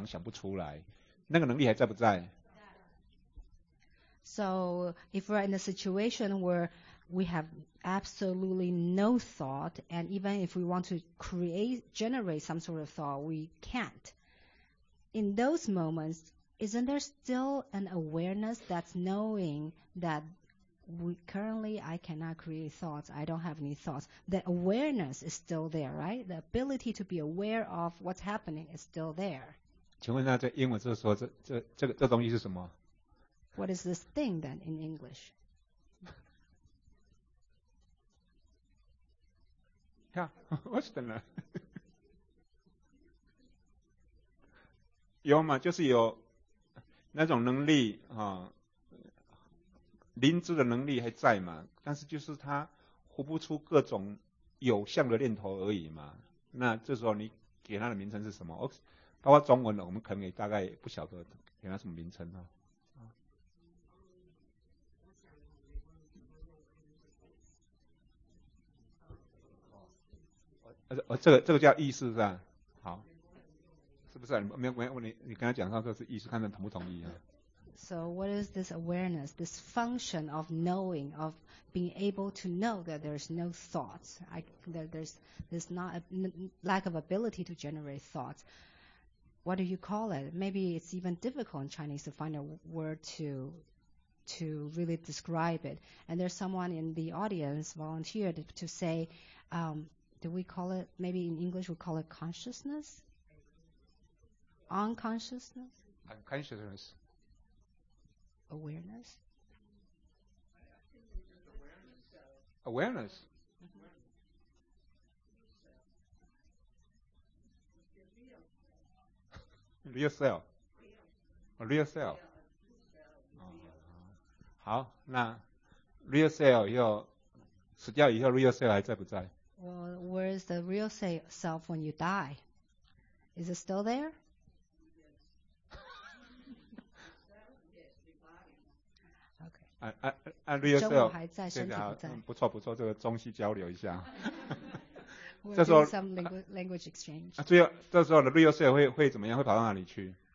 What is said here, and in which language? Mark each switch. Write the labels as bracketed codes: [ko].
[zh] 譬如说，我们什么念头都没有，怎么想都想不出来，没有任何念头。请问，我们是不是有一个能力知道念头都没有，要想想不出来，那个能力还在不在？ [en] So if we're in a situation where we have absolutely no thought, and even if we want to generate some sort of thought, we can't. In those moments, isn't there still an awareness that's knowing that currently I cannot create thoughts, I don't have any thoughts. The awareness is still there, right? The ability to be aware of what's happening is still there. [zh] 请问那在英文就是说这东西是什么？ [en] What is this thing then in English? 呀 what's the name? [zh] 有嘛，就是有那种能力啊，灵智的能力还在嘛，但是就是他呼不出各种有相的念头而已嘛。那这时候你给他的名称是什么？包括中文的，我们可能也大概不晓得给他什么名称啊。这个叫意识是吧？好，是不是、啊？你跟他讲上这是意识，看他同不同意啊？ [en] So what is this awareness, this function of knowing, of being able to know that there's no thoughts, that there's not a lack of ability to generate thoughts? What do you call it? Maybe it's even difficult in Chinese to find a word to really describe it. And there's someone in the audience volunteered to say, do we call it, maybe in English we call it consciousness? Unconsciousness? Unconsciousness. Awareness. Real self. Real self. [zh] 好，那 real self 要死掉以后 ，real self 还在不在 [en] ？Well, where is the real self when you die? Is it still there? real self [zh] 还在，身体不在。不错不错，这个中西交流一下。这时候 [en] some language exchange。 [zh] 最后，这时候的 real self 会怎么样？会跑到哪里去